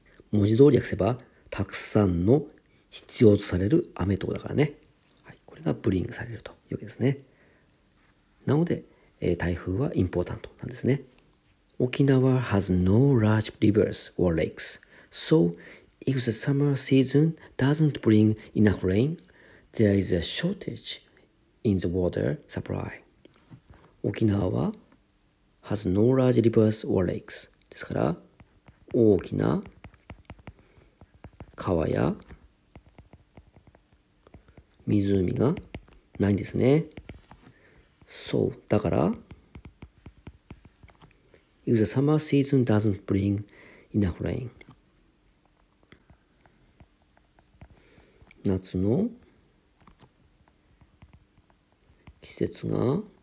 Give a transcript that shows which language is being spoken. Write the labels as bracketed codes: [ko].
[ja] 文字通り訳せば、たくさんの必要とされる雨ってことだからね、はい、これがブリングされるというわけですね。なので、台風はインポータントなんですね。 [en] 沖縄 has no large rivers or lakes. So, if the summer season doesn't bring enough rain, there is a shortage in the water supply. 沖縄 has no large rivers or lakes. [ja] ですから、大きな川や湖がないんですね。そう、だから、 [en] If the summer season doesn't bring enough rain, [ja] 夏の季節が